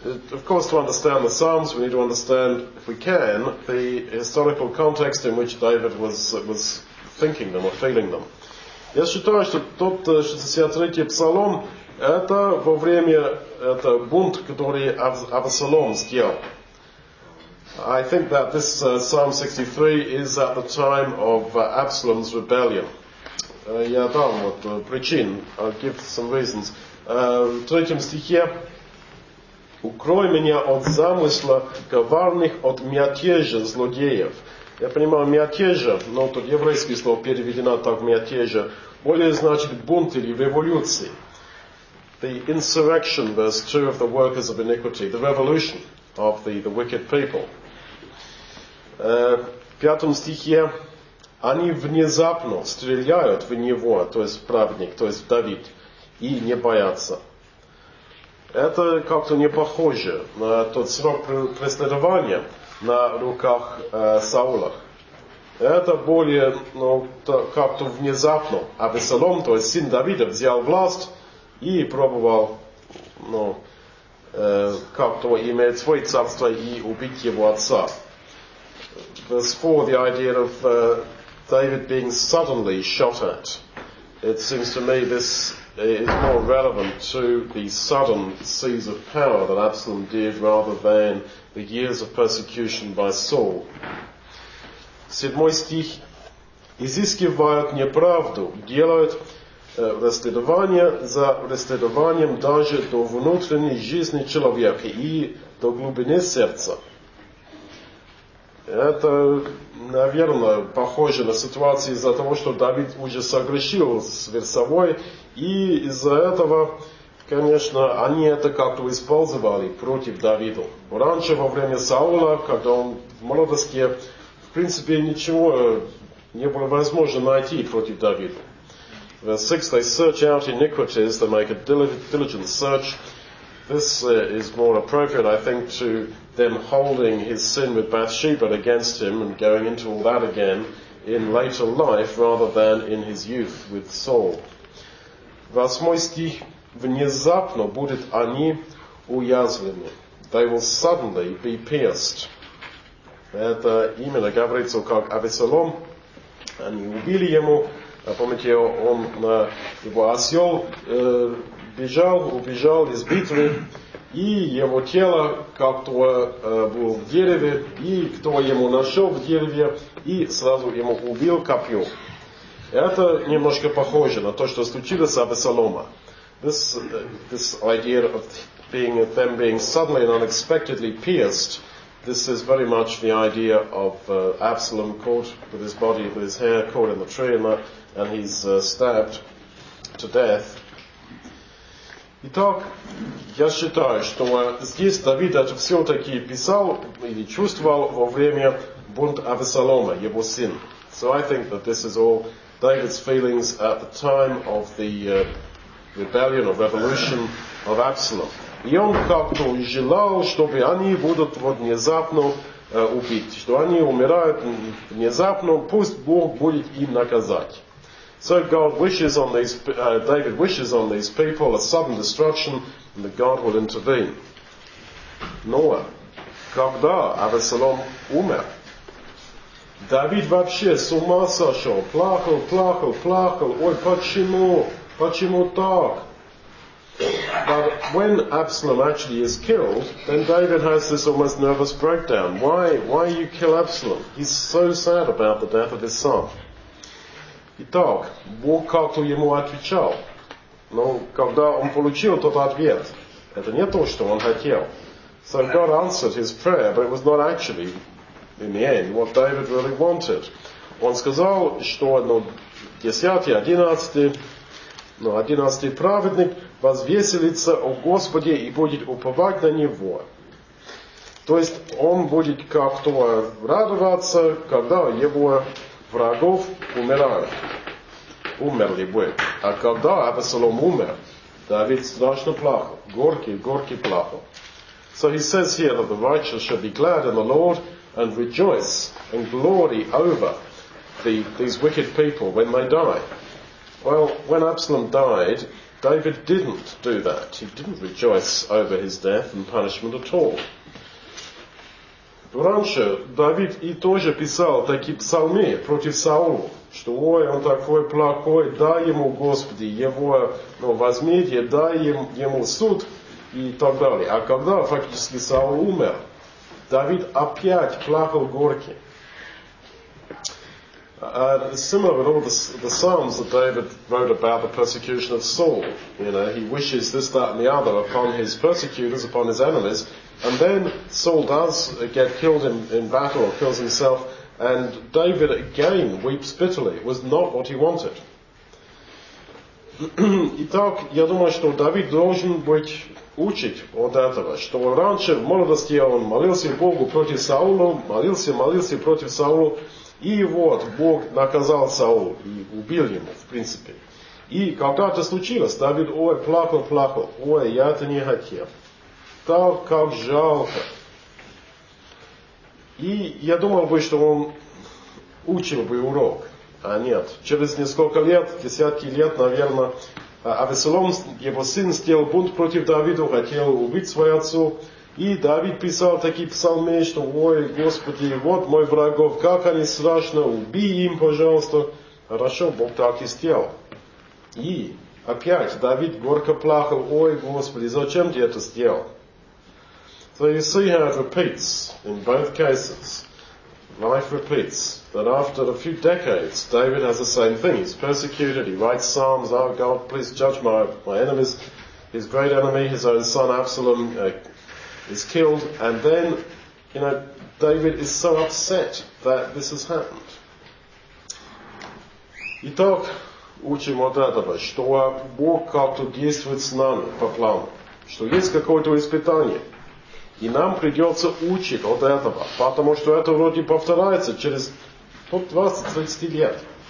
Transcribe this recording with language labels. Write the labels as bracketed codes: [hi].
[en] Of course, to understand the Psalms, we need to understand, if we can, the historical context in which David was thinking them or feeling them. [ru] Я считаю, что тот 63-й псалом это во время это бунт, который Авессалом сделал. [en] I think that this Psalm 63 is at the time of Absalom's rebellion. [ru] Я дам вот причин. [en] I'll give some reasons. [ru] В третьем стихе: «Укрой меня от замысла коварных, от мятежа злодеев». Я понимаю, мятежа, но тут еврейское слово переведено так, мятежа, более значит бунт или революции. [en] The insurrection, verse 2, of the workers of iniquity, the revolution of the wicked people. [ru] В пятом стихе: «Они внезапно стреляют в него», то есть праведник, то есть Давид, «и не боятся». Это как-то не похоже на тот срок преследования на руках Саула. Это более, как-то внезапно. Авессалом, то есть сын Давида, взял власть и пробовал, как-то иметь свое царство и убить его отца. [en] Verse 4, the idea of David being suddenly shot at. It seems to me this is more relevant to the sudden seize of power that Absalom did rather than the years of persecution by Saul. [ru] Седьмой стих. Изыскивают неправду, делают расследование за расследованием даже до внутренней жизни человека и до глубины сердца. Это, наверное, похоже на ситуацию из-за того, что Давид уже согрешил с Версавой, и из-за этого, конечно, они это как-то использовали против Давида. Раньше, во время Саула, когда он в молодости, в принципе, ничего не было возможно найти против Давида. [en] The sixth, they search out iniquities, they make a diligent search. This is more appropriate, I think, to them holding his sin with Bathsheba against him and going into all that again in later life rather than in his youth with Saul. [ru] Восьмой стих. Внезапно будут они уязвлены. [en] They will suddenly be pierced. [ru] Это именно говорится как Абисалом. Они убили ему. Помните, он на его осел убежал из битвы, и его тело как-то было в дереве, и кто ему нашел в дереве, и сразу ему убил копье. Это немножко похоже на то, что случилось с Абисалома. [en] This idea of them being suddenly and unexpectedly pierced, this is very much the idea of Absalom caught with his body, with his hair caught in the tree, and he's stabbed to death. [ru] Итак, я считаю, что здесь Давид это все-таки писал или чувствовал во время бунт Авессалома, его сын. [en] So I think that this is all David's feelings at the time of the rebellion or revolution of Absalom. [ru] И он как-то желал, чтобы они будут вот внезапно убить, что они умирают внезапно, пусть Бог будет им наказать. [en] So God wishes on these, David wishes on these people a sudden destruction, and that God will intervene. [ru] Но когда Авессалом умер, Давид вообще с ума сошел, плакал, ой, почему так? [en] But when Absalom actually is killed, then David has this almost nervous breakdown. Why you kill Absalom? He's so sad about the death of his son. [ru] Итак, Бог как-то ему отвечал. Но когда он получил тот ответ, это не то, что он хотел. [en] So God answered his prayer, but it was not actually, in the end, what David really wanted. [ru] Он сказал, что 11-й праведник возвеселится о Господе и будет уповать на Него. То есть он будет как-то радоваться, когда его врагов умерли бы. А когда Абисалом умер, Давид страшно плакал, горький плакал. [en] So he says here that the righteous should be glad in the Lord and rejoice and glory over these wicked people when they die. Well, when Absalom died, David didn't do that. He didn't rejoice over his death and punishment at all. [ru] Раньше Давид и тоже писал такие псалмы против Саула, что ой, он такой плохой, дай ему, Господи, его возмездие, дай ему суд и так далее. А когда фактически Саул умер, Давид опять плакал горько. [en] Similar with all the psalms that David wrote about the persecution of Saul. You know, he wishes this, that and the other upon his persecutors, upon his enemies. And then Saul does get killed in battle, or kills himself, and David again weeps bitterly. It was not what he wanted. [ru] Итак, я думаю, что Давид должен быть учить от этого, что раньше в молодости он молился Богу против Саула, молился против Саула, и вот Бог наказал Саула и убил его, в принципе. И когда это случилось, Давид, ой, плакал, ой, я это не хотел. Так, как жалко. И я думал бы, что он учил бы урок. А нет. Через несколько лет, десятки лет, наверное, Авессалом, его сын, сделал бунт против Давида, хотел убить своего отца. И Давид писал такие псалмы, что «Ой, Господи, вот мой врагов, как они страшны, убей им, пожалуйста». Хорошо, Бог так и сделал. И опять Давид горько плакал: «Ой, Господи, зачем ты это сделал?» [en] So you see how it repeats in both cases. Life repeats. But after a few decades, David has the same thing. He's persecuted. He writes psalms: "Oh God, please judge my enemies." His great enemy, his own son Absalom, is killed. And then, you know, David is so upset that this has happened. [ru] Итак, учим вот этого, что Бог как-то действует с нами по плану, что есть какое-то испытание. И нам придется учить от этого, потому что это вроде повторяется через 20-30 лет.